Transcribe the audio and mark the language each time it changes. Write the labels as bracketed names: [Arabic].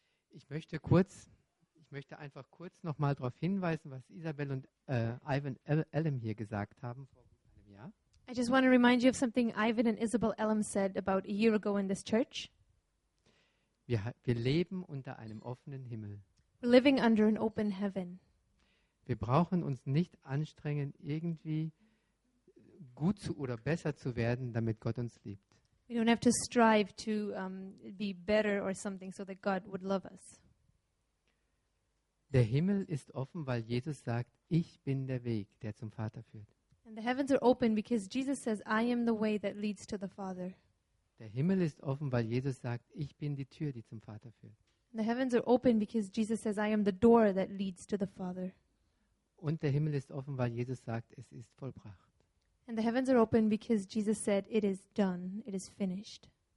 [German] Ich möchte einfach kurz noch mal darauf hinweisen, was Isabel und Ivan Ellem hier gesagt haben vor einem Jahr. [English] I just want to remind you of something Ivan and Isabel Ellem said about a year ago in this church. [German] Wir leben unter einem offenen Himmel. [English] We're living under an open heaven. [German] Wir brauchen uns nicht anstrengen, irgendwie gut zu oder besser zu werden, damit Gott uns liebt. [English] We don't have to strive to be better or something so that God would love us. [German] Der Himmel ist offen, weil Jesus sagt, ich bin der Weg, der zum Vater führt. [English] And the heavens are open because Jesus says, I am the way that leads to the Father. [German] Der Himmel ist offen, weil Jesus sagt, ich bin die Tür, die zum Vater führt. [English] And the heavens are open because Jesus says, I am the door that leads to the Father. [German] Und der Himmel ist offen, weil Jesus sagt, es ist vollbracht. [English] And the heavens are open because Jesus said, it is done, it is finished.